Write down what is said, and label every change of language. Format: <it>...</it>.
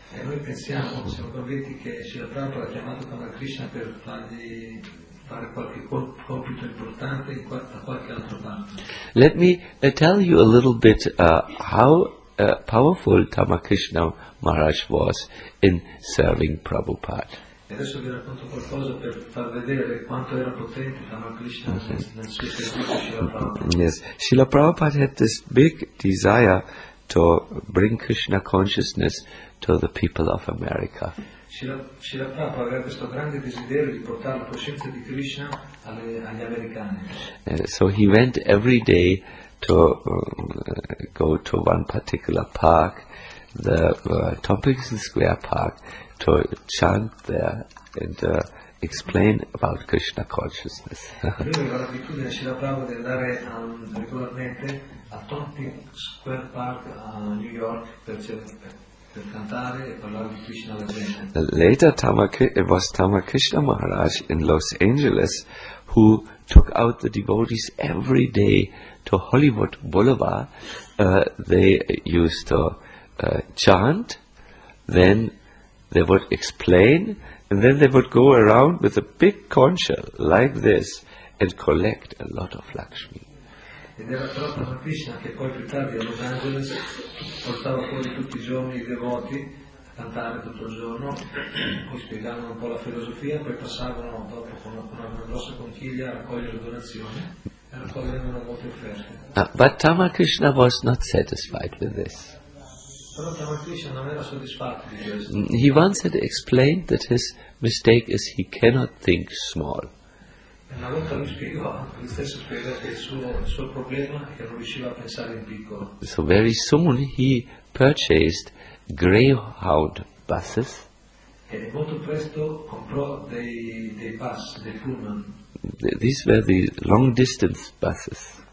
<it>E noi pensiamo, siamo convinti che Srila Prabhupada ha chiamato Tamal Krishna per fargli fare qualche compito importante da qualche altro parte.</it> <en>Let me tell you a little bit how powerful Tamal Krishna Maharaj was in serving Prabhupada.</en> <it>E adesso vi racconto qualcosa per far vedere quanto era potente Tamal Krishna nel suo servizio a Srila Prabhupada.</it> <en>Yes, Srila Prabhupada had this big desire to bring Krishna consciousness to the people of America.</en> <it>Srila Prabhupada aveva questo grande desiderio di portare la coscienza di Krishna agli americani.</it> <en>So he went every day to go to one particular park, the Tompkins Square Park, to chant there and explain about Krishna consciousness. Later, it was Tama Krishna Maharaj in Los Angeles who took out the devotees every day to Hollywood Boulevard. They used to chant, then they would explain, and then they would go around with a big concha like this and collect a lot of Lakshmi.</en> <it>Ed era proprio Tama Krishna che poi più tardi a Los Angeles portava fuori tutti i giorni i devoti a cantare tutto il giorno, poi spiegavano un po' la filosofia, poi passavano dopo con una grossa conchiglia a raccogliere donazioni e raccoglievano molte offerte.</it> <en>But Tama Krishna was not satisfied with this.</en> <it>Però Tama Krishna non era soddisfatto di questo.</it> <en>He once had explained that his mistake is he cannot think small.</en> <it>Una volta lui spiegò, lui stesso spiegò che il suo problema è che non riusciva a pensare in piccolo.</it> <en>So very soon he purchased greyhound buses.</en> <it>E molto presto comprò dei bus, dei pullman.</it> <en>These were the long distance buses.</en>